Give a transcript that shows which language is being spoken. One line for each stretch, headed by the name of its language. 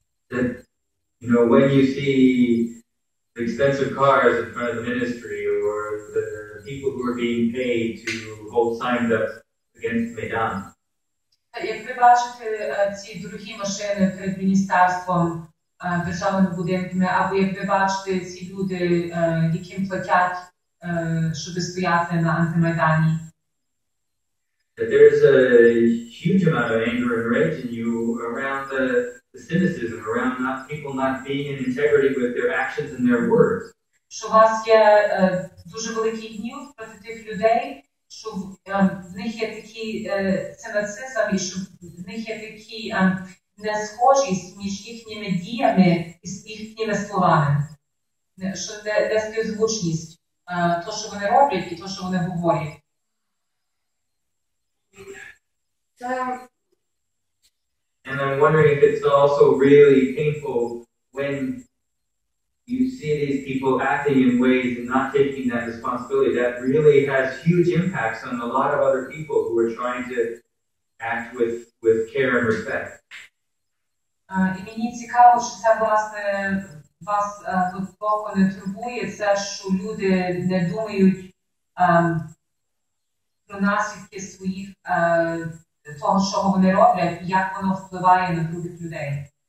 English: That, you know, when you see the expensive cars in front of the ministry or the people who are being paid to hold signs up against Maidan.
Ukrainian: Як ви бачите ці дорогі машини перед міністерством, державними будинками, або як ви бачите ці люди, яким платять, щоб стояти на антимайдані?
English: There is a huge amount of anger and rage in you around the cynicism, around not people not being in integrity with their actions and their words.
Ukrainian: Що у вас є дуже великий гнів проти тих людей, що в них є такі цинацизм, і що в них є такі несхожість між їхніми діями і їхніми словами. Що де співзвучність, то, що вони роблять, і то, що вони говорять.
English: And I'm wondering if it's also really painful when you see these people acting in ways and not taking that responsibility. That really has huge impacts on a lot of other people who are trying to act with care and respect.
Ukrainian: І мені цікаво, що це, власне, вас тут поки не турбує, це, що люди не думають про наслідки своїх, того, що вони роблять, як воно впливає на других людей.